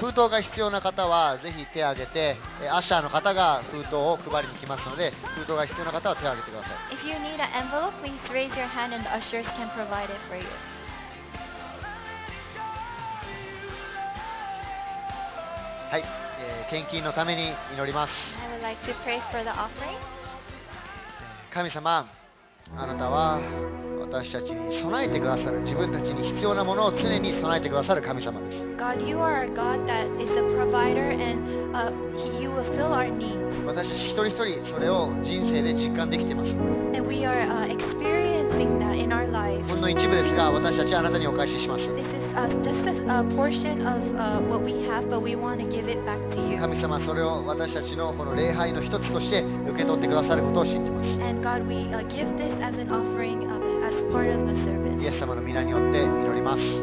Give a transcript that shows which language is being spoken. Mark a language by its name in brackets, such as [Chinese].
[Japanese] 封筒が必要な方はぜひ手を挙げて、アッシャーの方が封筒を配りに来ますので、封筒が必要な方は手を挙げてください。 [English] If you need an envelope, please raise your hand and the ushers can provide it for you. [Japanese] はい、献金のために祈ります。 [English] I would like to pray for the offering. [Japanese] 神様、あなたは私たちに備えてくださる、自分たちに必要なものを常に備えてくださる神様です。 [English] God, you are a God that is a provider and you will fill our needs. [Japanese] 私たち一人一人それを人生で実感できています。 [English] And we are experiencing that in our lives. [Japanese] ほんの一部ですが、私たちはあなたにお返しします。 [English] This is just a portion of what we have, but we want to give it back to you. [Japanese] 神様、それを私たちのこの礼拝の一つとして受け取ってくださることを信じます。 [English] And God, we give this as an offering of [Japanese] イエス様の御名によって祈ります。